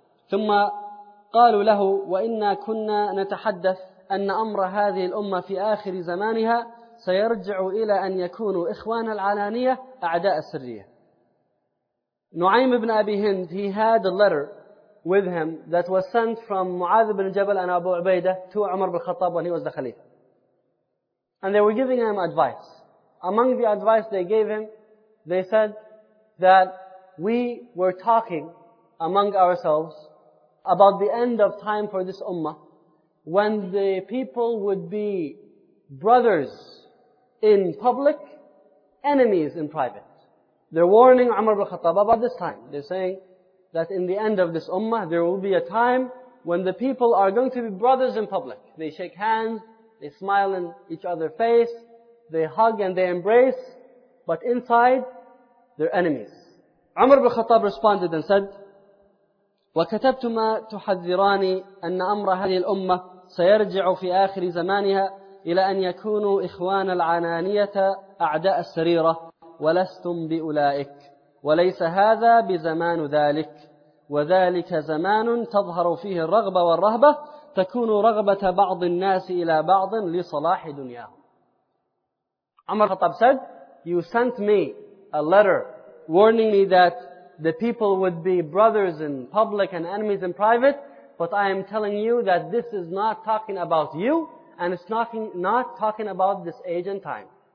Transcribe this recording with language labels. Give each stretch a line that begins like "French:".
Arabic: Thumma قالوا له وإنا كنا نتحدث أن أمر هذه الأمة في آخر زمانها سيرجع إلى أن يكونوا إخوان العلانية أعداء السرية.
English: نعيم بن أبي هند, he had a letter with him that was sent from معاذ بن جبل and أبو عبيدة to عمر بن الخطاب when he was the Khalifa. And they were giving him advice. Among the advice they gave him, they said that we were talking among ourselves about the end of time for this ummah, when the people would be brothers in public, enemies in private. They're warning Umar ibn Khattab about this time. They're saying that in the end of this ummah, there will be a time when the people are going to be brothers in public. They shake hands, they smile in each other's face, they hug and they embrace, but inside, they're enemies. Umar ibn Khattab responded and said,
Arabic: وكتبتما تحذراني أن أمر هذه الأمة سيرجع في آخر زمانها إلى أن يكونوا إخوان العنانية أعداء السريرة ولستم بأولئك وليس هذا بزمان ذلك وذلك زمان تظهر فيه الرغبة والرهبة تكون رغبة بعض الناس إلى بعض لصلاح دنياهم.
English: Umar Khattab said, you sent me a letter warning me that the people would be brothers in public and enemies in private, but I am telling you that this is not talking about you, and it's not talking about this age and time.